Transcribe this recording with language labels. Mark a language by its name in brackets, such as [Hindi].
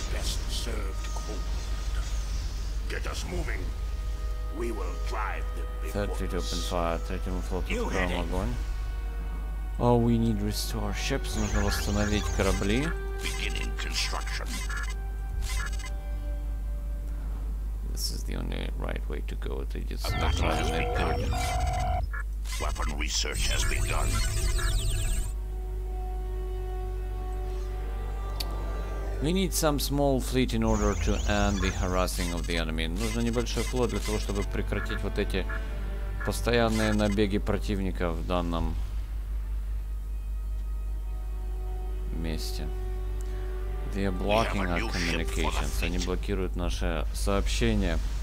[English] Best served cold. Get us moving. We will drive them before. Third fleet open fire. [Russian] Третьему флоту откроем огонь. [English] Oh, we need restore ships. [Russian] Нужно восстановить корабли. [English] Beginning construction. This is the only right way to go. It is the right way. Weapon research has begun. We need some small fleet in order to end the harassing of the enemy. [Russian] Нужно небольшой флот для того, чтобы прекратить вот эти постоянные набеги противника в данном месте. [English] They are blocking our communications. [Russian] Они блокируют наше сообщение.